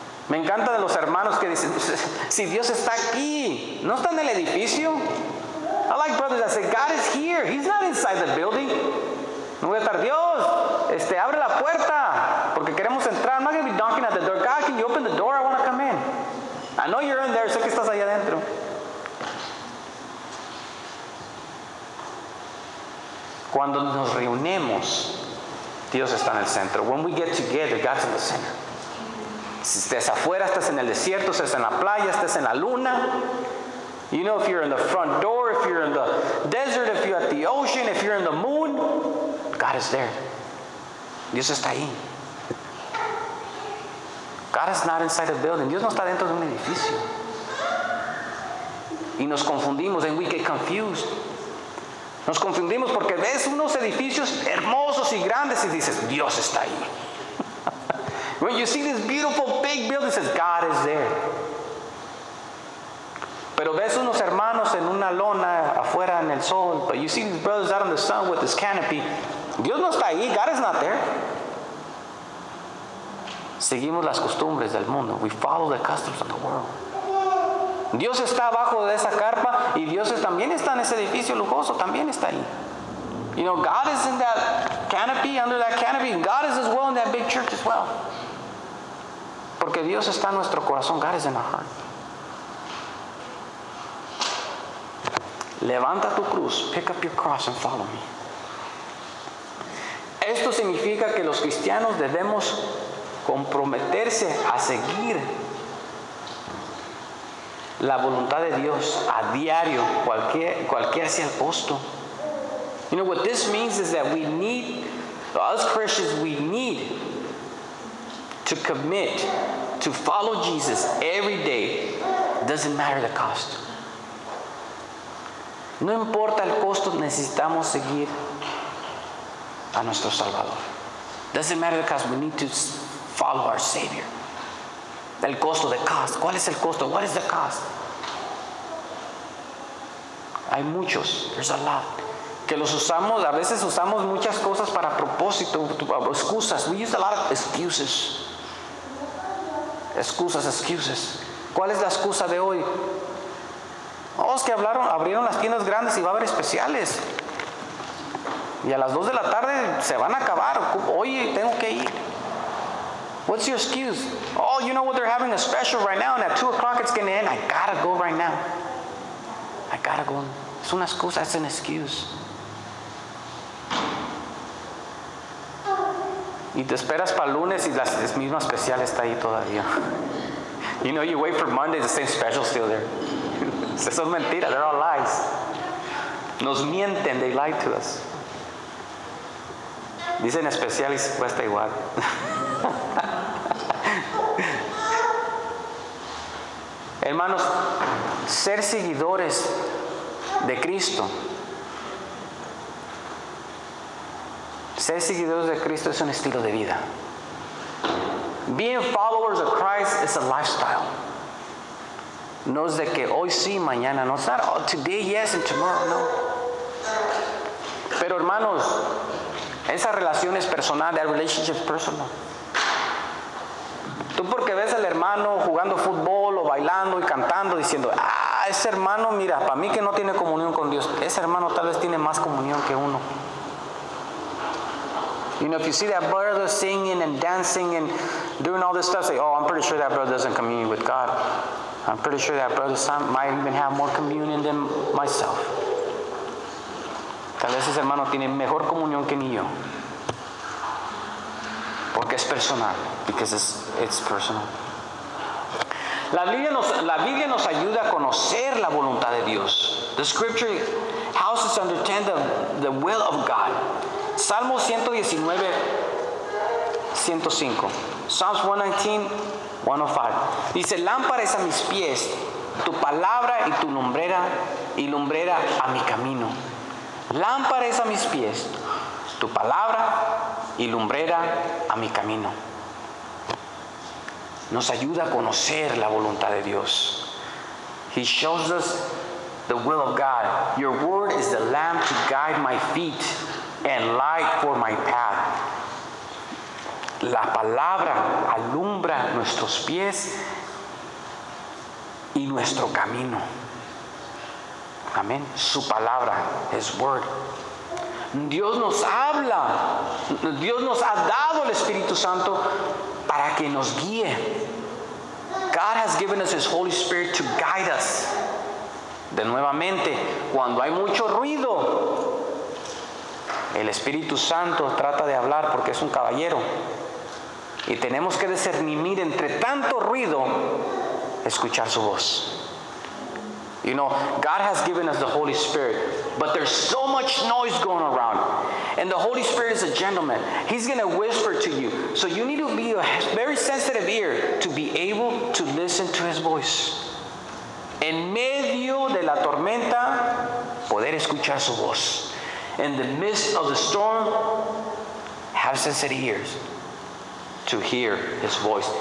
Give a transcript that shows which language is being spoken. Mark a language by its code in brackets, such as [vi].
[es] Me encanta de los hermanos que dicen, si Dios está aquí, ¿no está en el edificio? [en] I like brothers that say, God is here. He's not inside the building. [es] No voy a estar, Dios, abre la puerta, porque queremos entrar. [en] I'm not going to be knocking at the door. God, can you open the door? I want to come in. I know you're in there. [es] Sé que estás ahí adentro. Cuando nos reunimos, Dios está en el centro. [en] When we get together, God's in the center. [es] Si estás afuera, estás en el desierto, estás en la playa, estás en la luna. [en] You know, if you're in the front door, if you're in the desert, if you're at the ocean, if you're in the moon, God is there. [es] Dios está ahí. [en] God is not inside a building. [es] Dios no está dentro de un edificio. Y nos confundimos, [en] and we get confused. [es] Nos confundimos porque ves unos edificios hermosos y grandes y dices, Dios está ahí. [en] When you see this beautiful big building, it says, God is there. [es] Pero ves unos hermanos en una lona afuera en el sol. [en] But you see these brothers out in the sun with this canopy. [es] Dios no está ahí. [en] God is not there. [es] Seguimos las costumbres del mundo. [en] We follow the customs of the world. [es] Dios está abajo de esa carpa y Dios también está en ese edificio lujoso. También está ahí. [en] You know, God is in that canopy, under that canopy. And God is as well in that big church as well. [es] Porque Dios está en nuestro corazón. [en] God is in our heart. [es] Levanta tu cruz. [en] Pick up your cross and follow me. [es] Esto significa que los cristianos debemos comprometerse a seguir la voluntad de Dios a diario, cualquier sea el costo. [en] You know, what this means is that we need, us Christians, we need to commit to follow Jesus every day. Doesn't matter the cost. [es] No importa el costo, necesitamos seguir a nuestro Salvador. [en] Doesn't matter the cost, we need to follow our Savior. [es] El costo, [en] the cost. [es] ¿Cuál es el costo? [en] What is the cost? [es] Hay muchos. [en] There's a lot. [es] Que los usamos, a veces usamos muchas cosas para propósito, excusas. [en] We use a lot of excuses. [es] Excusas, [en] excuses. [es] ¿Cuál es la excusa de hoy? Oh, es que hablaron, abrieron las tiendas grandes y va a haber especiales. Y a las 2 de la tarde se van a acabar. Oye, tengo que ir. [en] What's your excuse? Oh, you know what, they're having a special right now and at 2 o'clock it's going to end. I gotta go right now. I gotta go. [es] Es una excusa, [en] it's an excuse. [es] Y te esperas para lunes y la misma especial está ahí todavía. [en] You know, you wait for Monday, the same special still there. [es] Eso es mentira, [en] they're all lies. [es] Nos mienten, [en] they lie to us. [es] Dicen especial y se cuesta igual. Hermanos, ser seguidores de Cristo. Ser seguidores de Cristo es un estilo de vida. [en] Being followers of Christ is a lifestyle. [es] No es de que hoy sí, mañana no. [en] It's not all today, yes, and tomorrow, no. [es] Pero hermanos, esa relación es personal, [en] that relationship is personal. [es] Tú porque ves al hermano jugando fútbol o bailando y cantando, diciendo, ah, ese hermano, mira, para mí que no tiene comunión con Dios, ese hermano tal vez tiene más comunión que uno. [en] You know, if you see that brother singing and dancing and doing all this stuff, say, oh, I'm pretty sure that brother doesn't commune with God. I'm pretty sure that brother might even have more communion than myself. [es] Tal vez ese hermano tiene mejor comunión que ni yo. Porque es personal. [en] Because it's personal. [es] La Biblia nos ayuda a conocer la voluntad de Dios. [en] The scripture helps us understand the will of God. [es] Salmo 119:105. [en] Psalms 119:105. [es] Dice, lámpara es a mis pies tu palabra y tu lumbrera, y lumbrera a mi camino. Lámpara es a mis pies tu palabra y lumbrera a mi camino. Nos ayuda a conocer la voluntad de Dios. [en] He shows us the will of God. Your word is the lamp to guide my feet and light for my path. [es] La palabra alumbra nuestros pies y nuestro camino. Amén. Su palabra, [en] his word. [es] Dios nos habla. Dios nos ha dado el Espíritu Santo para que nos guíe. [en] God has given us his Holy Spirit to guide us. [es] De nuevamente, cuando hay mucho ruido, el Espíritu Santo trata de hablar porque es un caballero. Y tenemos que discernir entre tanto ruido, escuchar su voz. [en] You know, God has given us the Holy Spirit, but there's so much noise going around. And the Holy Spirit is a gentleman. He's going to whisper to you. So you need to be a very sensitive ear to be able to listen to his voice. [es] En medio de la tormenta, poder escuchar su voz. [en] In the midst of the storm, have sensitive ears to hear his voice.